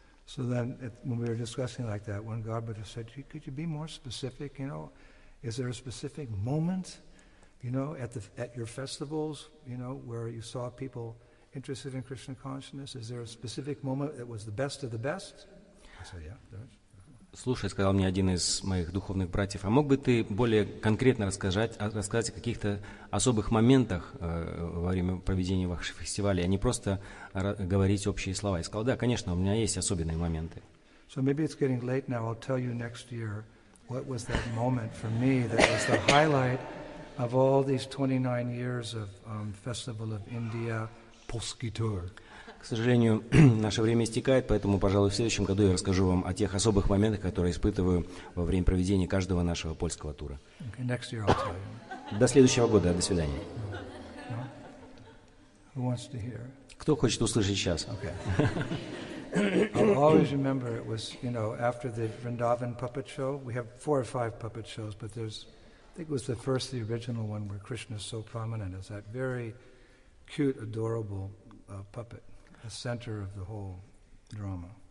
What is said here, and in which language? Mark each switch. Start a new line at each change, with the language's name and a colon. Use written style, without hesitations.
English: So then, when we were discussing like that, one Godbrother said, "Could you be more specific? You know, is there a specific moment, you know, at your festivals, you know, where you saw people interested in Krishna consciousness? Is there a specific moment that was the best of the best?" I said, "Yeah, there is."
Russian: Слушай, сказал мне один из моих духовных братьев, а мог бы ты более конкретно рассказать о каких-то особых моментах во время проведения ваших фестивалей, а не просто говорить общие слова? Я сказал, да, конечно, у меня есть особенные моменты.
English: So maybe it's getting late now, I'll tell you next year what was that moment for me that was the highlight of all these 29 years of Festival of India Polski Tour.
Russian: К сожалению, наше время истекает, поэтому, пожалуй, в следующем году я расскажу вам о тех особых моментах, которые испытываю во время проведения каждого нашего польского тура.
English: Okay, next year I'll tell you.
Russian: До следующего года, до свидания.
English: No. Who wants to hear?
Russian: Кто хочет услышать сейчас?
English: Okay. I'll always remember it was, you know, after the Vrindavan puppet show. We have four or five puppet shows, but there's, I think it was the first, the original one where Krishna is so prominent. It's that very cute, adorable puppet, the center of the whole drama.